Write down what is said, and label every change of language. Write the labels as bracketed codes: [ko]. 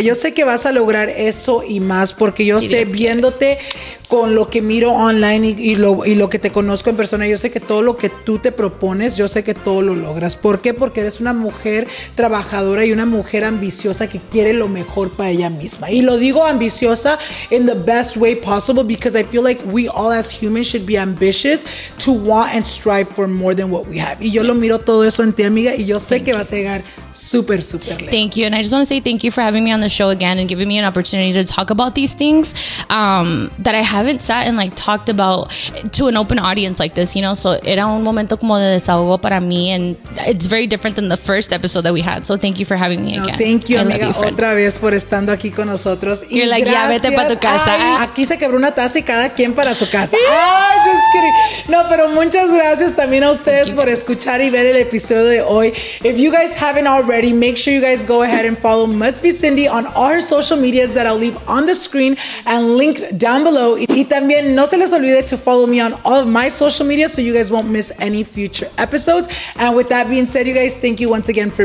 [es] Yeah. Yo sé que vas a lograr eso y más porque yo sé, viéndote con lo que miro online y lo que te conozco en persona, yo sé que todo lo que tú te propones, yo sé que todo lo logras. ¿Por qué? Porque eres una mujer trabajadora y una mujer ambiciosa que quiere lo mejor para ella misma. Y lo digo ambiciosa [en] in the best way possible because I feel like we all as humans should be ambitious to want and strive for more than what we have. [es] Y yo lo miro todo eso en ti, amiga, y yo sé que vas a llegar super, super lejos. [en] Thank you. And I just want to say thank you for having me on the show again and giving me an opportunity to talk about these things that I haven't sat and like talked about to an open audience like this, you know. So [es] era un momento como de desahogo para mí, [en] and it's very different than the first episode that we had. So thank you for having me again. Thank you, [es] amiga, you, otra vez por estando aquí con nosotros. [en] You're [es] y like, gracias. Ya vete para tu casa. Ay, aquí se quebró una taza y cada quien para su casa. Yeah. Ay, [en] just kidding. [es] No, pero muchas gracias también a ustedes por escuchar y ver el episodio de hoy. [en] If you guys haven't already, make sure you guys go ahead and follow Must Be Cindy on all her social medias that I'll leave on the screen and linked down below. [es] Y también no se les olvide [en] to follow me on all of my social media so you guys won't miss any future episodes. And with that being said, you guys, thank you once again for